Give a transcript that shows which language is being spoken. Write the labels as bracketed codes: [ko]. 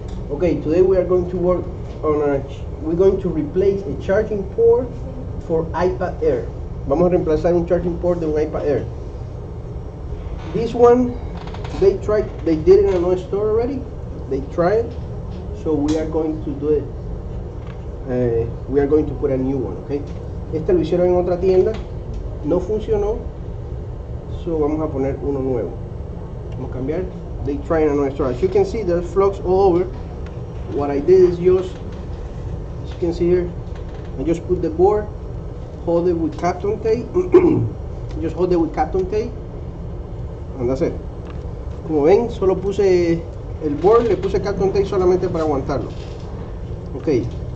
[en] Okay, today we are going to work on we're going to replace a charging port for iPad Air. [es] Vamos a reemplazar un charging port de un iPad Air. [en] This one, they did it in another store already. They tried, so we are going to do it. We are going to put a new one, okay? [es] Este lo hicieron en otra tienda, no funcionó, so vamos a poner uno nuevo. Vamos a cambiar. [en] They tried in another store. As you can see, there's flux all over. What I did is as you can see here, I just put the board, hold it with Kapton tape, just hold it with Kapton tape, and that's it. [es] Como ven, solo puse el board, le puse Kapton tape solamente para aguantarlo. Okay.